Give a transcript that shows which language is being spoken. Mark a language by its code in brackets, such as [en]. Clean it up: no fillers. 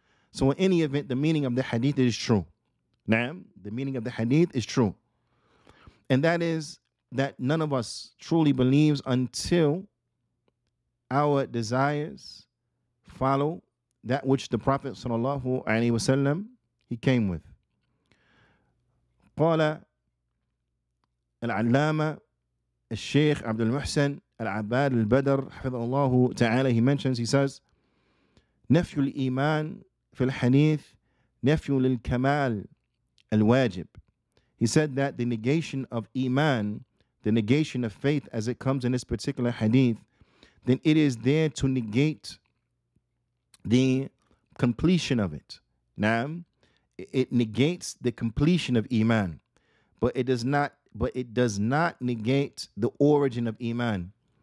[en] So in any event, the meaning of the hadith is true. Naam, the meaning of the hadith is true. And that is that none of us truly believes until our desires follow that which the Prophet sallallahu alaihi wasallam, he came with. [ar] قال العلامة الشيخ عبد المحسن العباد البدر حفظه الله تعالى, [en] he mentions, he says, [ar] نفي الإيمان في الحديث نفي للكمال الواجب. [en] He said that the negation of Iman, the negation of faith as it comes in this particular hadith, then it is there to negate the completion of it. Naam, it negates the completion of Iman, but it does not negate the origin of Iman.